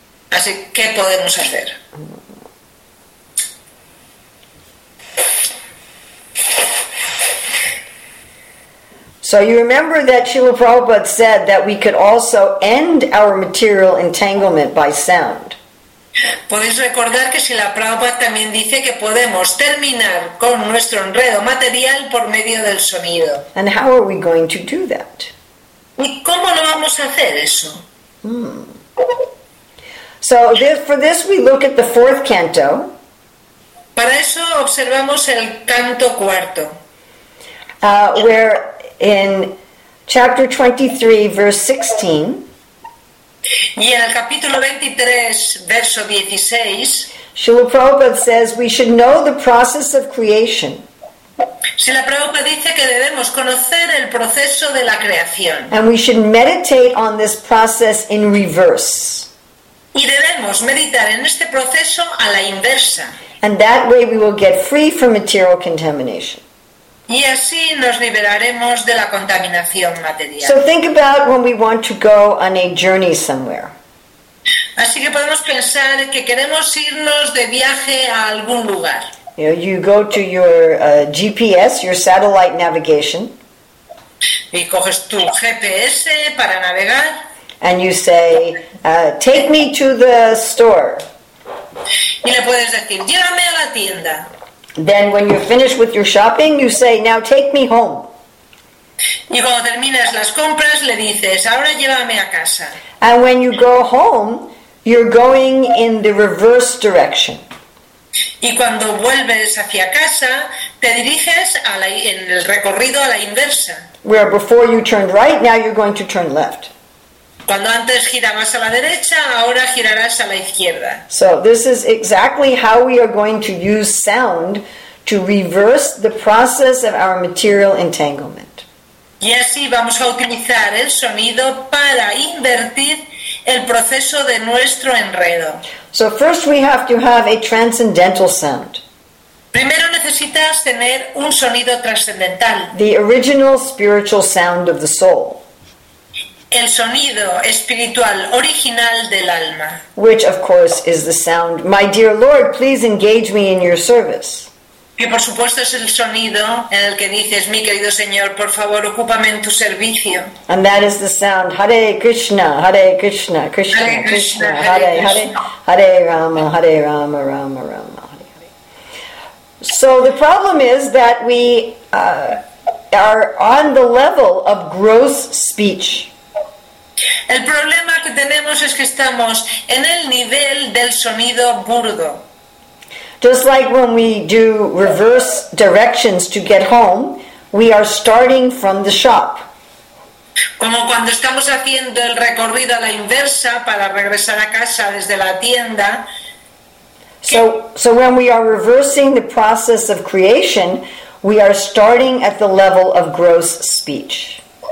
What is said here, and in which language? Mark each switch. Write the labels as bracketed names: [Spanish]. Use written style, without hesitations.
[Spanish] Así, ¿qué podemos hacer? [English] So you remember that Srila Prabhupada said that we could also end our material entanglement by sound. [Spanish] Podéis recordar que Srila Prabhupada también dice que podemos terminar con nuestro enredo material por medio del sonido. [English] And how are we going to do that? [Spanish] ¿Y cómo lo vamos a hacer eso? [English] So this, for this we look at the fourth canto. [Spanish] Para eso observamos el canto cuarto. [English] Where in chapter 23, verse 16. [Spanish] Y en el capítulo 23, verso 16. [English] Srila Prabhupada says we should know the process of creation. [Spanish] Srila Prabhupada dice que debemos conocer el proceso de la creación. [English] And we should meditate on this process in reverse. [Spanish] Y debemos meditar en este proceso a la inversa. [English] And that way we will get free from material contamination. [Spanish] Y así nos liberaremos de la contaminación material. [English] So think about when we want to go on a journey somewhere. [Spanish] Así que podemos pensar que queremos irnos de viaje a algún lugar. [English] You know, you go to your GPS, your satellite navigation. [Spanish] Y coges tu GPS para navegar. [English] And you say, take me to the store. [Spanish] Y le puedes decir, llévame a la tienda. [English] Then when you're finished with your shopping, you say, now take me home. [Spanish] Y cuando terminas las compras, le dices, ahora llévame a casa. [English] And when you go home, you're going in the reverse direction. [Spanish] Y cuando vuelves hacia casa, te diriges a la, en el recorrido a la inversa. [English] Where before you turned right, now you're going to turn left. [Spanish] Cuando antes girabas a la derecha, ahora girarás a la izquierda. [English] So this is exactly how we are going to use sound to reverse the process of our material entanglement. [Spanish] Y así vamos a utilizar el sonido para invertir el proceso de nuestro enredo. [English] So first we have to have a transcendental sound. [Spanish] Primero necesitas tener un sonido trascendental. [English] The original spiritual sound of the soul. [Spanish] El sonido espiritual original del alma. [English] Which, of course, is the sound, my dear Lord, please engage me in your service. [Spanish] Que, por supuesto, es el sonido en el que dices, mi querido Señor, por favor, ocúpame en tu servicio. [English] And that is the sound, Hare Krishna, Hare Krishna, Krishna, [Sanskrit] Hare Krishna, Krishna, Hare, Krishna, Hare, Krishna. Hare Rama, Hare Rama, Rama Rama, Hare Hare. [English] So the problem is that we are on the level of gross speech. [Spanish] El problema que tenemos es que estamos en el nivel del sonido burdo. [English] Just like when we do reverse directions to get home, we are starting from the shop. [Spanish] Como cuando estamos haciendo el recorrido a la inversa para regresar a casa desde la tienda. [English] So when we are reversing the process of creation, we are starting at the level of gross speech.